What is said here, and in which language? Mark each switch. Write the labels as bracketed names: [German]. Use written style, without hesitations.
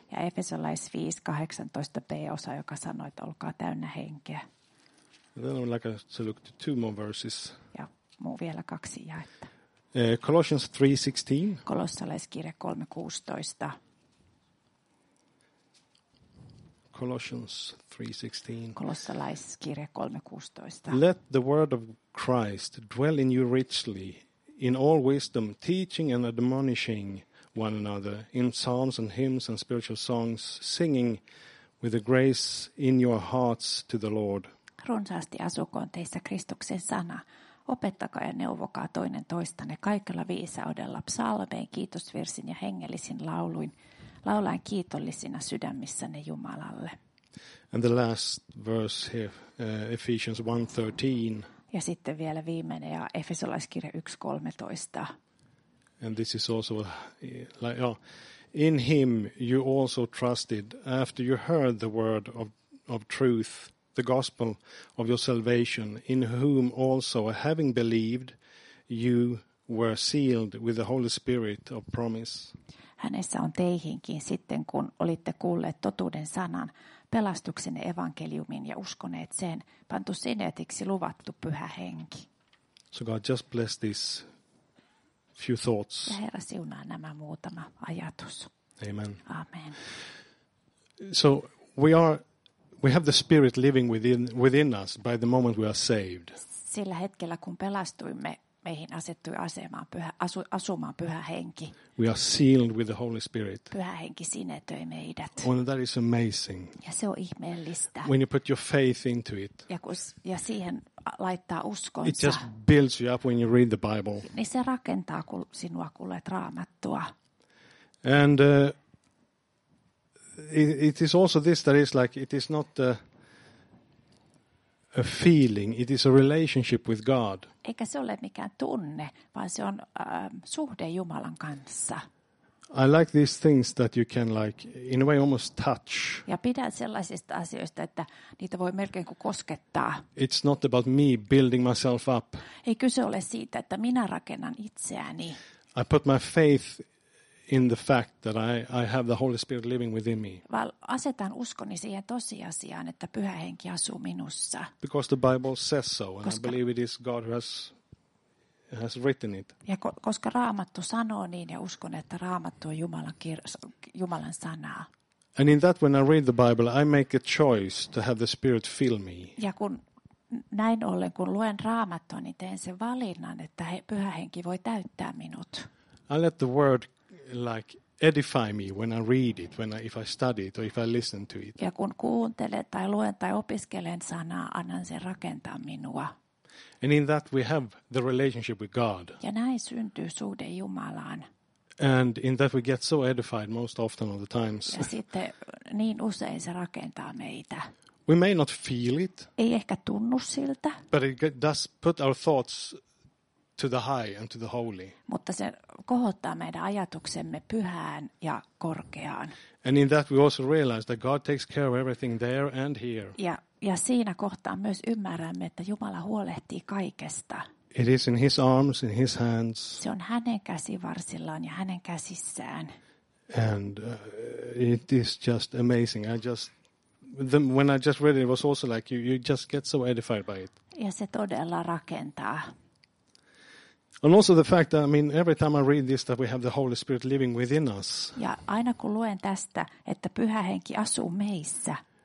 [Finnish] Ja Efesolais 5:18b osa, joka sanoi, että olkaa täynnä henkeä. [English] Then I would like to look to two more verses. [Finnish] Ja muu vielä kaksi jaetta. [English] Colossians 3:16. [Finnish] Kolossalaiskirje 3:16. [English] Colossians 3:16. [Finnish] Kolossalaiskirje 3:16. [English] Let the word of Christ dwell in you richly, in all wisdom, teaching and admonishing one another in psalms and hymns and spiritual songs, singing with a grace in your hearts to the Lord. [Finnish] Runsaasti asukoon teissä Kristuksen sana. Opettakaa ja neuvokaa toinen toistanne kaikella viisaudella psalmein, kiitosvirsin ja hengellisin lauluin, laulaen kiitollisina sydämissänne Jumalalle. [English] And the last verse here, Ephesians 1:13. [Finnish] Ja sitten vielä viimeinen ja Efesolaiskirja 1:13. [English] And this is also like, oh, in him you also trusted after you heard the word of truth, the gospel of your salvation, in whom also, having believed, you were sealed with the Holy Spirit of promise. [Finnish] Hänessä on teihinkin sitten, kun olitte kuulleet totuuden sanan, pelastuksen evankeliumin ja uskoneet sen, pantu sinetiksi luvattu pyhä henki. [English] So God just bless this few thoughts. [Finnish] Ja Herra siunaa nämä muutama ajatus. [English] Amen. [Finnish] Amen. [English] So we have the Spirit living within us by the moment we are saved. [Finnish] Sillä hetkellä kun pelastuimme, meihin asettui asemaan pyhä, asumaan pyhä henki. [English] We are sealed with the Holy Spirit. [Finnish] Pyhä henki sinetöi meidät. [English] And that is amazing. [Finnish] Ja se on ihmeellistä. [English] When you put your faith into it. [Finnish] Ja siihen laittaa uskonsa. [English] It just builds you up when you read the Bible. [Finnish] Niin se rakentaa sinua, kun luet Raamattua. [English] And it is also this that is like it is not a feeling, it is a relationship with God. [Finnish] Eikä se ole mikään tunne, vaan se on suhde Jumalan kanssa. [English] I like these things that you can like in a way almost touch. [Finnish] Ja pidän sellaisista asioista, että niitä voi melkein kuin koskettaa. [English] It's not about me building myself up. [Finnish] Ei kyse ole siitä, että minä rakennan itseäni. [English] I put my faith in the fact that I have the Holy Spirit living within me. [Finnish] Vaan asetan uskoni siihen tosiasiaan, että Pyhä Henki asuu minussa. [English] Because the Bible says so, and I believe it is God who has written it. [Finnish] Ja koska Raamattu sanoo niin, ja uskon, että Raamattu on Jumalan sanaa. [English] And in that, when I read the Bible, I make a choice to have the Spirit fill me. [Finnish] Ja kun näin ollen, kun luen Raamattua, niin teen sen valinnan, että Pyhä Henki voi täyttää minut. [English] I let the word like edify me when I read it, if I study it or if I listen to it. [Finnish] Ja kun kuuntelen tai luen tai opiskelen sanaa, annan sen rakentaa minua. [English] And in that we have the relationship with God. [Finnish] Ja näin syntyy suhde Jumalaan. [English] And in that we get so edified most often of the times. [Finnish] Ja sitten niin usein se rakentaa meitä. [English] We may not feel it. [Finnish] Ei ehkä tunnu siltä. [English] But it does put our thoughts to the high and to the holy. [Finnish] Mutta se kohottaa meidän ajatuksemme pyhään ja korkeaan. [English] And in that we also realize that God takes care of everything there and here. [Finnish] Ja siinä kohtaa myös ymmärrämme, että Jumala huolehtii kaikesta. [English] It is in his arms, in his hands. [Finnish] Se on hänen käsivarsillaan ja hänen käsissään. [English] And it is just amazing. When I just read it, it was also like you just get so edified by it. [Finnish] Ja se todella rakentaa. [English] And also the fact that, I mean, every time I read this, that we have the Holy Spirit living within us. [Finnish] Ja aina kun luen tästä, että Pyhä Henki asuu meissä.